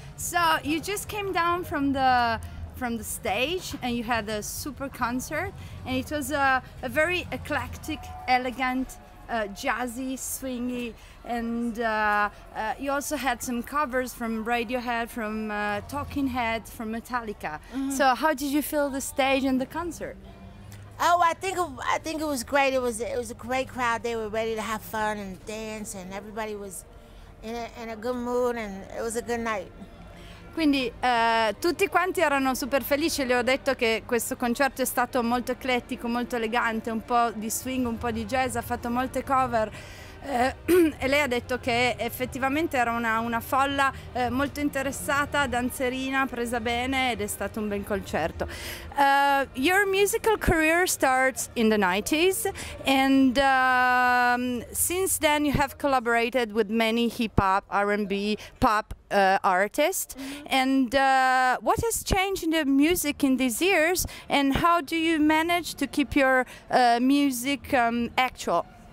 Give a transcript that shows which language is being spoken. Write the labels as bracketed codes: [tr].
[en] So you just came down from the stage and you had a super concert, and it was a very eclectic, elegant, jazzy, swingy, and you also had some covers from Radiohead, from Talking Head, from Metallica. Mm-hmm. So how did you feel the stage and the concert? Oh, I think it was great. It was a great crowd. They were ready to have fun and dance, and everybody was in a good mood, and it was a good night. [it] Quindi tutti quanti erano super felici. Le ho detto che questo concerto è stato molto eclettico, molto elegante, un po' di swing, un po' di jazz, ha fatto molte cover. E lei ha detto che effettivamente era una folla molto interessata, danzerina, presa bene, ed è stato un bel concerto. [en] Your musical career starts in the 90s, and since then you have collaborated with many hip-hop, R&B, pop artists. Mm-hmm. And what has changed in the music in these years, and how do you manage to keep your music actual?